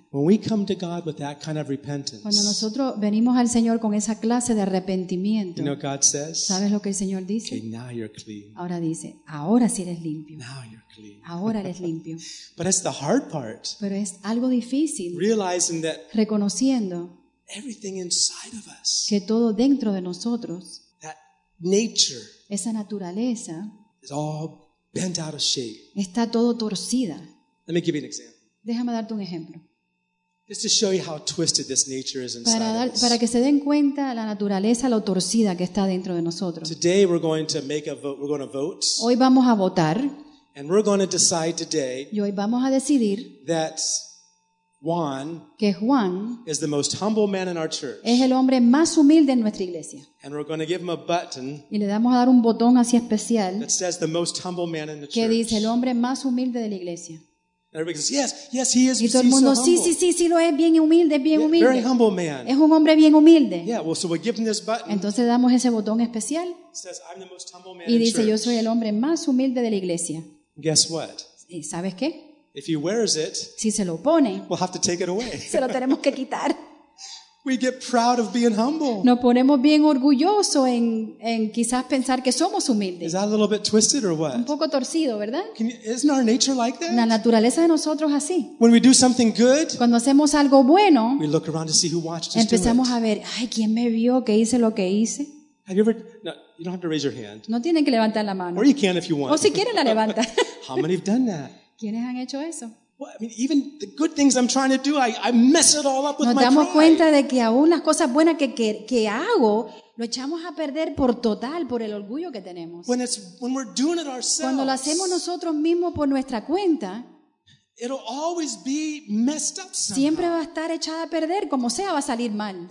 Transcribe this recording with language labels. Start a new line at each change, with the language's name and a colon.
English: When we come to God with that kind of repentance,
Spanish: cuando nosotros venimos al Señor con esa clase de arrepentimiento,
English: you know God says?
Spanish: ¿Sabes lo que el Señor dice?
English: Okay, now you're clean.
Spanish: Ahora dice, ahora sí eres limpio.
English: Now you're
Spanish: Ahora eres limpio.
English: But it's the hard part.
Spanish: Pero es algo difícil.
English: Realizing that
Spanish: reconociendo
English: everything inside of us,
Spanish: que todo dentro de nosotros,
English: that nature,
Spanish: esa naturaleza,
English: is all bent out of shape.
Spanish: Está todo torcida.
English: Let me give you an example.
Spanish: Déjame darte un ejemplo.
English: Just to show you how twisted this nature is inside us.
Spanish: Para que se den cuenta la naturaleza, la torcida que está dentro de nosotros.
English: Today we're going to make a vote. We're going to vote.
Spanish: Hoy vamos a votar.
English: And we're going to decide today.
Spanish: Y hoy vamos a decidir
English: that Juan,
Spanish: que Juan
English: is the most humble man in our church.
Spanish: Es el hombre más humilde en nuestra iglesia.
English: And we're going to give him a button.
Spanish: Y le vamos a dar un botón así especial.
English: That says the most humble man in the church.
Spanish: Que dice el hombre más humilde de la iglesia.
English: Everybody says yes, yes, he is.
Spanish: Y todo el mundo,
English: so humble.
Spanish: sí, lo es, bien humilde, bien humilde.
English: Very humble man.
Spanish: Es un hombre bien humilde.
English: Yeah, well, so we give him this button.
Spanish: Entonces damos ese botón especial.
English: Says I'm the most humble man.
Spanish: Y dice
English: in
Spanish: yo soy el hombre más humilde de la iglesia.
English: Guess what?
Spanish: ¿Y sabes qué?
English: If he wears it,
Spanish: si se lo pone,
English: we'll have to take it away.
Spanish: Se lo tenemos que quitar.
English: We get proud of being humble.
Spanish: Nos ponemos bien orgullosos en quizás pensar que somos humildes.
English: Is that a little bit twisted or what?
Spanish: Un poco torcido, ¿verdad?
English: Isn't our nature like that?
Spanish: La naturaleza de nosotros así.
English: When we do something good,
Spanish: cuando hacemos algo bueno,
English: we look around to see who watched us.
Spanish: Empezamos
English: do
Spanish: a ver, ay, ¿quién me vio? ¿Qué hice lo que hice?
English: Have you ever? No, you don't have to raise your hand.
Spanish: No tienen que levantar la mano.
English: Or you can if you want.
Spanish: O si quieren la levanta.
English: How many have done that?
Spanish: ¿Quiénes han hecho eso?
English: Well, I mean, even the good things I'm trying to do, I mess it all up with my pride.
Spanish: Nos damos cuenta de que aún las cosas buenas que hago lo echamos a perder por total por el orgullo que tenemos.
English: When we're doing it ourselves,
Spanish: cuando lo hacemos nosotros mismos por nuestra cuenta,
English: it'll always be messed up somehow.
Spanish: Siempre va a estar echada a perder, como sea va a salir mal.